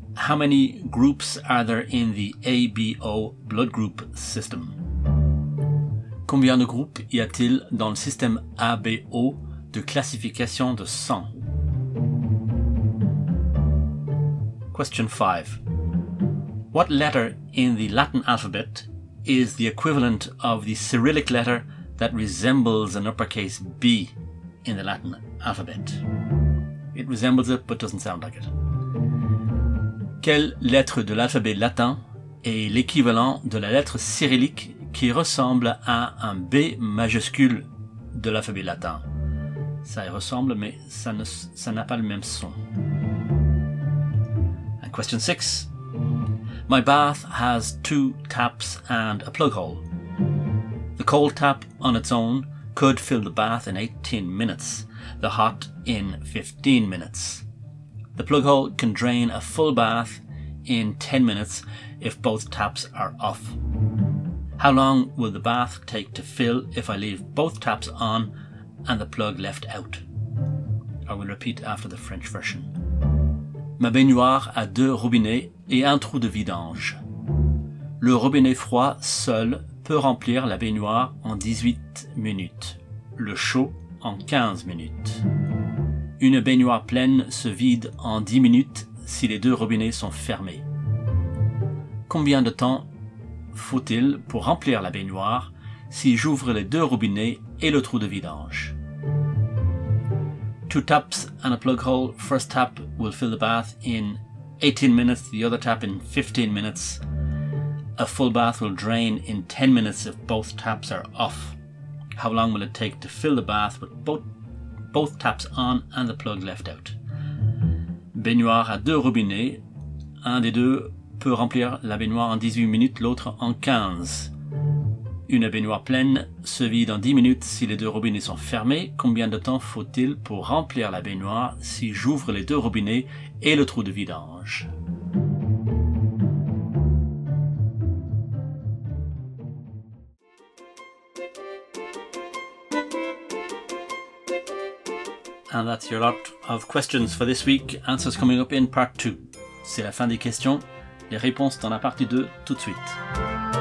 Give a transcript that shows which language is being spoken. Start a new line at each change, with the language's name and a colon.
English: How many groups are there in the ABO blood group system?
French: Combien de groupes y a-t-il dans le système ABO de classification de sang?
English: Question 5. What letter in the Latin alphabet is the equivalent of the Cyrillic letter that resembles an uppercase B in the Latin alphabet? It resembles it, but doesn't sound like it.
French: Quelle lettre de l'alphabet latin est l'équivalent de la lettre cyrillique qui ressemble à un B majuscule de l'alphabet latin? Ça y ressemble, mais ça n'a pas le même son.
English: And question 6. My bath has two taps and a plug hole. The cold tap on its own could fill the bath in 18 minutes, the hot in 15 minutes. The plug hole can drain a full bath in 10 minutes if both taps are off. How long will the bath take to fill if I leave both taps on and the plug left out? I will repeat after the French version.
French: Ma baignoire a deux robinets et un trou de vidange. Le robinet froid seul peut remplir la baignoire en 18 minutes, le chaud en 15 minutes. Une baignoire pleine se vide en 10 minutes si les deux robinets sont fermés. Combien de temps faut-il pour remplir la baignoire si j'ouvre les deux robinets et le trou de vidange?
English: Two taps and a plug hole. First tap will fill the bath in 18 minutes, the other tap in 15 minutes. A full bath will drain in 10 minutes if both taps are off. How long will it take to fill the bath with both taps on and the plug left out?
French: Baignoire à deux robinets. Un des deux peut remplir la baignoire en 18 minutes, l'autre en 15. Une baignoire pleine se vide en 10 minutes si les deux robinets sont fermés. Combien de temps faut-il pour remplir la baignoire si j'ouvre les deux robinets et le trou de vidange?
English: And that's your lot of questions for this week. Answers coming up in part 2.
French: C'est la fin des questions. Les réponses dans la partie 2 tout de suite.